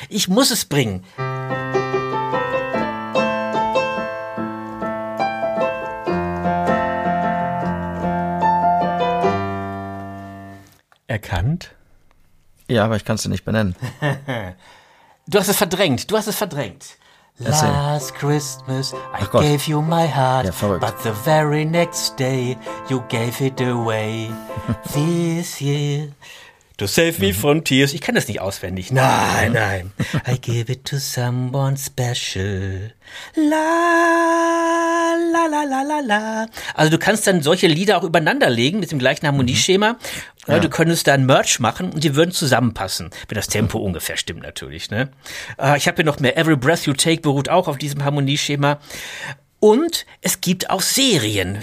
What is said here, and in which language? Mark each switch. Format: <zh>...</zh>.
<de>Ich muss es bringen. Erkannt? Ja, aber ich kann es dir nicht benennen. Du hast es verdrängt. Du hast es verdrängt.</de> <en>Last Christmas I gave you my heart,</en> <de>ja,</de> <en>but the very next day you gave it away. This year to save me from tears.</en> <de>Ich kann das nicht auswendig. Nein, nein.</de> <en>I gave it to someone special. La la la la la la.</en> <de>Also du kannst dann solche Lieder auch übereinander legen mit dem gleichen Harmonieschema. Ja. Du könntest da ein Merch machen und die würden zusammenpassen, wenn das Tempo ungefähr stimmt natürlich. Ne? Ich habe hier noch mehr. Every Breath You Take beruht auch auf diesem Harmonieschema. Und es gibt auch Serien.</de>